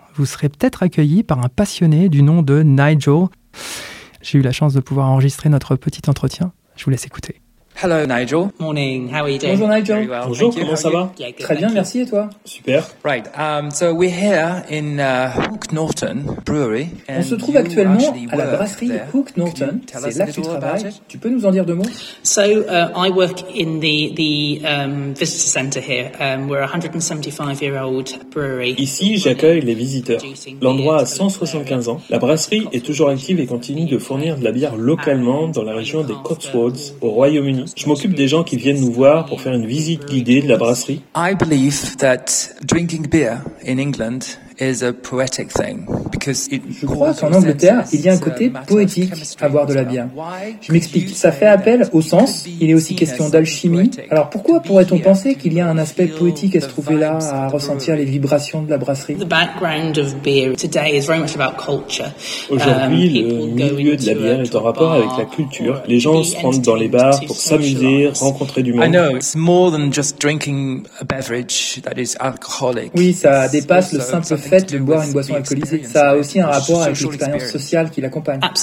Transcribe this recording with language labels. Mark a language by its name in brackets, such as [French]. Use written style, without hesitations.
[French] Vous serez peut-être accueillis par un passionné du nom de Nigel. J'ai eu la chance de pouvoir enregistrer notre petit entretien. Je vous laisse écouter. [English] Hello Nigel. Morning. How are you doing? [French] Bonjour Nigel. [English] Very well. [French] Bonjour. [English] Thank you. [French] Comment ça va? [English] Yeah, good. [French] Très bien. [English] You. [French] Merci. Et toi? Super. [English] Right. So we're here in Hook Norton Brewery. [French] On se trouve actuellement à la brasserie Hook Norton. C'est là que tu travailles. Tu peux nous en dire deux mots? [English] So I work in the visitor center here. We're a 175-year-old brewery. [French] Ici, j'accueille les visiteurs. L'endroit a 175 ans. La brasserie est toujours active et continue de fournir de la bière localement dans la région des Cotswolds au Royaume-Uni. Je m'occupe des gens qui viennent nous voir pour faire une visite guidée de la brasserie. [English] I believe that drinking beer in England is a poetic thing because it [French] je crois qu'en Angleterre, il y a un côté poétique à boire de la bière. Je m'explique, ça fait appel au sens, il est aussi question d'alchimie. Alors pourquoi pourrait-on penser qu'il y a un aspect poétique à se trouver là, à ressentir les vibrations de la brasserie? [English] The background of beer today is very much about culture. [French] Aujourd'hui, le milieu de la bière est en rapport avec la culture. Les gens se rendent dans les bars pour s'amuser, rencontrer du monde. [English] I know it's more than just drinking a beverage that is alcoholic. [French] Oui, ça dépasse le simple le fait de boire une boisson alcoolisée, ça a aussi un rapport avec l'expérience sociale qui l'accompagne.